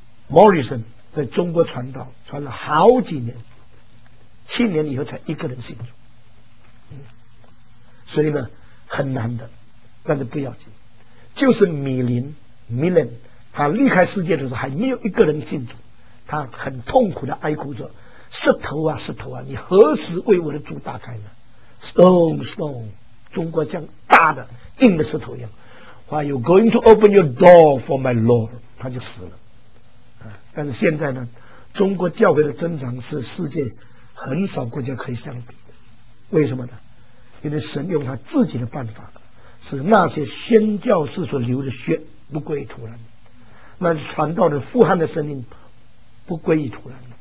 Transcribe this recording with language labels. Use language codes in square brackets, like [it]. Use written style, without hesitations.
[zh] Morrison 在中国传道传了好几年，七年以后才一个人信主，所以呢很难的，但是不要紧。就是米林他离开世界的时候还没有一个人信主，他很痛苦的哀哭说：石头啊石头啊，你何时为我的主打开呢？ [en] Stone stone， [zh] 中国像大的硬的石头一样。 [en] Why you going to open your door for my Lord？ [zh] 他就死了。但是现在呢，中国教会的增长是世界很少国家可以相比的。为什么呢？因为神用他自己的办法，使那些宣教士所流的血不归于徒然，那是传道的复汉的生命不归于徒然。